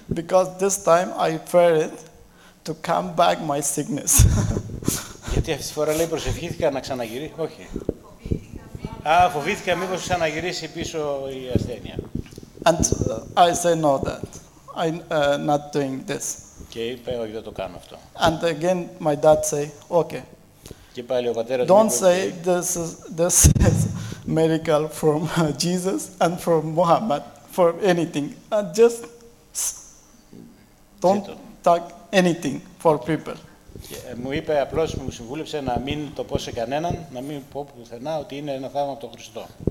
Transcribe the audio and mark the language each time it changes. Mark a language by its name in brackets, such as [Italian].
[English] Because this time I prayed to come back my sickness. [Greek] Γιατί αυτή τη φορά λέει προσευχήθηκα να ξαναγυρίσει. Όχι. Φοβήθηκα μήπως ξαναγυρίσει πίσω η ασθένεια. [English] And I say no that. I'm not doing this. [Greek] Και είπε όχι, δεν το κάνω αυτό. [English] And again my dad say, okay. [Greek] Και πάλι ο πατέρας [English] μου don't say this is miracle from Jesus and from Muhammad for anything. And just don't talk anything for people. [Greek] Και μου είπε απλώς, μου συμβούλεψε να μην το πω σε κανέναν, να μην πω πουθενά ότι είναι ένα θαύμα από τον Χριστό.